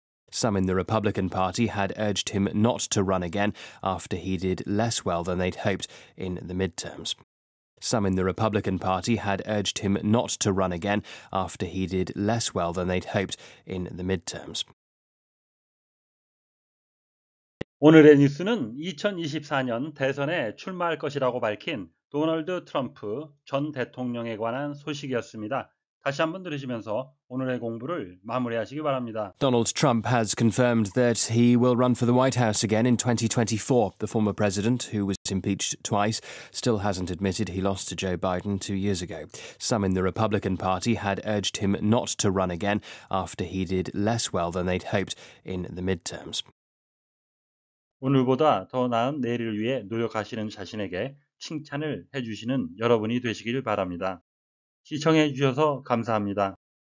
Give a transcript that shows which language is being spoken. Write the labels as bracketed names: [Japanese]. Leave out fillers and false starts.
[English] Some in the Republican Party had urged him not to run again after he did less well than they'd hoped in the midterms. Some in the Republican Party had urged him not to run again after he did less well than they'd hoped in the midterms. [Korean] 오늘의 뉴스는 2024년 대선에 출마할 것이라고 밝힌 도널드 트럼프 전 대통령에 관한 소식이었습니다. 다시 한번 들으시면서 오늘의 공부를 마무리하시기 바랍니다. [English] Donald Trump has confirmed that he will run for the White House again in 2024. The former president, who was impeached twice, still hasn't admitted he lost to Joe Biden 2 years ago. Some in the Republican Party had urged him not to run again after he did less well than they'd hoped in the midterms. [Korean] 오늘보다 더 나은 내일을 위해 노력하시는 자신에게 칭찬을 해주시는 여러분이 되시기를 바랍니다. 시청해 주셔서 감사합니다.